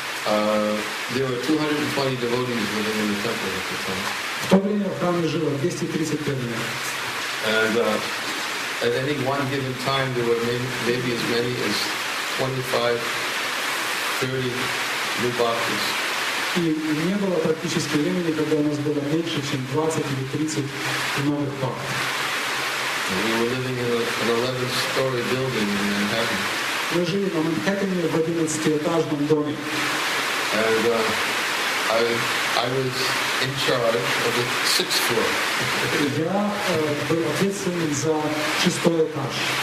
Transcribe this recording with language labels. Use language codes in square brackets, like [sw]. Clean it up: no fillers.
[en] There were 220 devotees living in the temple at the time. [ru] В то время в храме жило 235 человек. [en] And at any one given time, there were maybe as many as 25-30 new bhaktis. [ru] И не было практически времени, когда у нас было меньше, чем 20 или 30 новых бхакти. [en] We were living in an 11-story building in Manhattan. [ru] Мы жили на Манхэттене в 11-этажном доме. [en] And I was in charge of the sixth floor. [ru] Я был ответственен за шестой этаж.